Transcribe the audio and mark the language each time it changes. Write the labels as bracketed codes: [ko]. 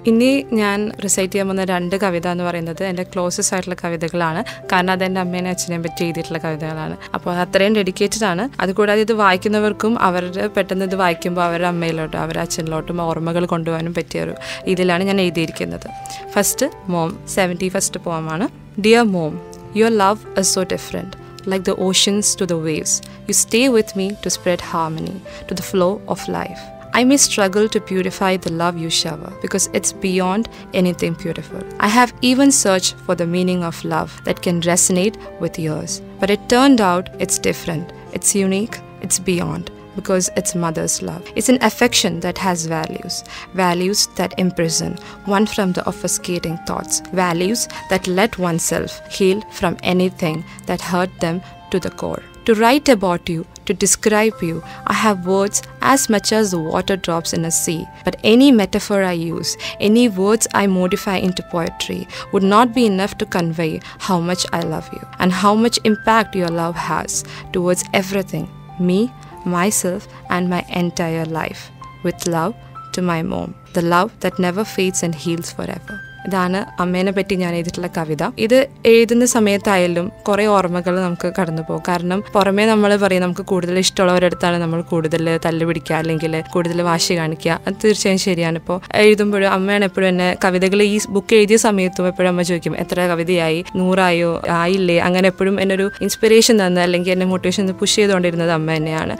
[ml] ഇനി ഞാൻ റിസൈറ്റ് ചെയ്യാൻ പോകുന്ന രണ്ട് കവിത എന്ന് പറയുന്നത് എൻ്റെ ക്ലോസസ്റ്റ് ആയിട്ടുള്ള കവിതകളാണ്, കാരണം അത് എൻ്റെ അമ്മേനെ അച്ഛനെയും പറ്റി എഴുതിയിട്ടുള്ള കവിതകളാണ്. അപ്പോൾ അത്രയും ഡെഡിക്കേറ്റഡ് ആണ്. അതുകൂടാതെ ഇത് വായിക്കുന്നവർക്കും അവരുടെ പെട്ടെന്ന് ഇത് വായിക്കുമ്പോൾ അവരുടെ അമ്മയിലോട്ടും അവരുടെ അച്ഛനിലോട്ടും ഓർമ്മകൾ കൊണ്ടുപോകാനും പറ്റിയ ഒരു ഇതിലാണ് ഞാൻ എഴുതിയിരിക്കുന്നത്. ഫസ്റ്റ് മോം, 71st പോം ആണ്. [en] Dear mom, your love is so different. Like the oceans to the waves, you stay with me to spread harmony to the flow of life. I may struggle to purify the love you shower because it's beyond anything beautiful. I have even searched for the meaning of love that can resonate with yours. But it turned out it's different. It's unique. It's beyond because it's mother's love. It's an affection that has values, values that imprison one from the obfuscating thoughts, values that let oneself heal from anything that hurt them to the core. To write about you, to describe you, I have words as much as the water drops in a sea. But any metaphor I use, any words I modify into poetry, would not be enough to convey how much I love you and how much impact your love has towards everything, me, myself and my entire life. With love to my mom, the love that never fades and heals forever. [ml] ഇതാണ് അമ്മേനെ പറ്റി ഞാൻ എഴുതിയിട്ടുള്ള കവിത. ഇത് എഴുതുന്ന സമയത്തായാലും കുറേ ഓർമ്മകൾ നമുക്ക് കടന്നു പോകും. കാരണം പുറമേ നമ്മൾ പറയും നമുക്ക് കൂടുതൽ ഇഷ്ടമുള്ളവരടുത്താണ് നമ്മൾ കൂടുതൽ തല്ലു പിടിക്കുക, അല്ലെങ്കിൽ കൂടുതൽ വാശി കാണിക്കുക. അത് തീർച്ചയായും ശരിയാണ്. ഇപ്പോൾ എഴുതുമ്പോഴും അമ്മയാണ് എപ്പോഴും എന്നെ കവിതകൾ ഈ ബുക്ക് എഴുതിയ സമയത്തും എപ്പോഴും അമ്മ ചോദിക്കും എത്ര കവിതയായി, 100 ആയില്ലേ, അങ്ങനെ എപ്പോഴും എന്നൊരു ഇൻസ്പിറേഷൻ തന്ന അല്ലെങ്കിൽ എന്നെ മോട്ടിവേഷൻ പുഷ് ചെയ്തുകൊണ്ടിരുന്നത് അമ്മ തന്നെയാണ്.